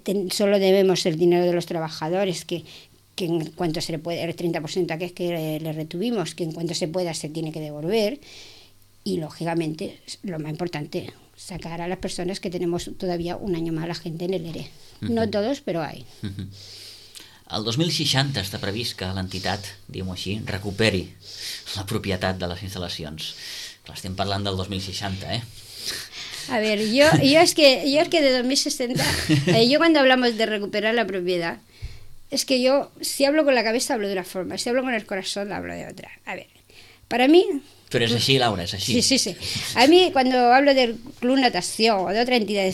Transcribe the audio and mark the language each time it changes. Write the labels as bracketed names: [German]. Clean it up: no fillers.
[Spanish] Solo debemos el dinero de los trabajadores, que en cuanto se le puede, el 30% que le retuvimos, que en cuanto se pueda se tiene que devolver. Y lógicamente, lo más importante, sacar a las personas que tenemos todavía un año más la gente en el ERE. No todos, pero hay. [Catalan] El 2060 està previst que l'entitat, diguem-ho així, recuperi la propietat de les instal·lacions. Clar, estem parlant del 2060, eh? [Spanish] A ver, yo es que de 2060, yo cuando hablamos de recuperar la propiedad, es que yo, si hablo con la cabeza hablo de una forma, si hablo con el corazón hablo de otra. A ver, para mí... Pero es así, Laura, es así. Sí, sí, sí. A mí cuando hablo del Club Natación o de otra entidad...